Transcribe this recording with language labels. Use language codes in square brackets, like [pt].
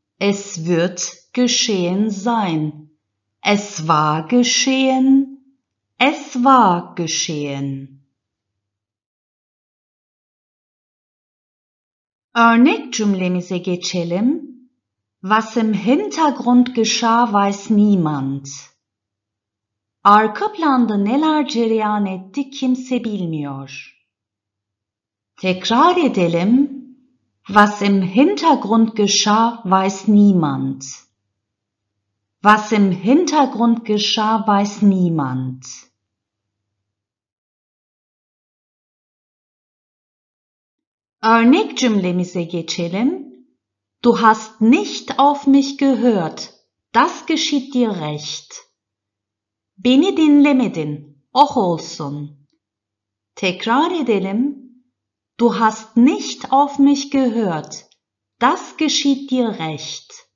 [de] Es wird geschehen sein. Es war geschehen. Es war geschehen. [tr] Cümlemize geçelim. [de] Was im Hintergrund geschah, weiß niemand. [tr] Arka planda neler cereyan etti kimse bilmiyor. Tekrar edelim. [de] Was im Hintergrund geschah, weiß niemand. Was im Hintergrund geschah, weiß niemand. [tr] Örnek cümlemize geçelim. [de] Du hast nicht auf mich gehört. Das geschieht dir recht. [tr] Beni dinlemedin. Oh olsun. Tekrar edelim. [de] Du hast nicht auf mich gehört. Das geschieht dir recht.